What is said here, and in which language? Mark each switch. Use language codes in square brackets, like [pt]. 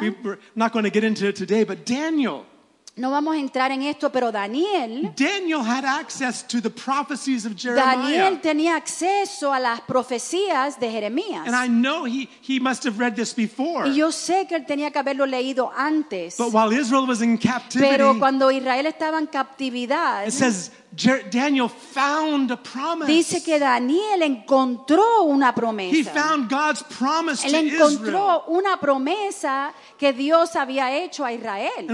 [en] We're not going to get into it today, but Daniel. [es] No vamos a entrar en esto, pero Daniel. [en] Daniel had access to the prophecies of Jeremiah. [es] Daniel tenía acceso a las profecías de Jeremías. [en] And I know he must have read this before. [es] Y yo sé que él tenía que haberlo leído antes. [en] But while Israel was in captivity, [es] pero cuando Israel estaba en captividad, [en] it says. Daniel found a promise. [es] Dice que Daniel encontró una promesa. [en] He found God's promise to Israel. [es] Él encontró una promesa que Dios había hecho a Israel.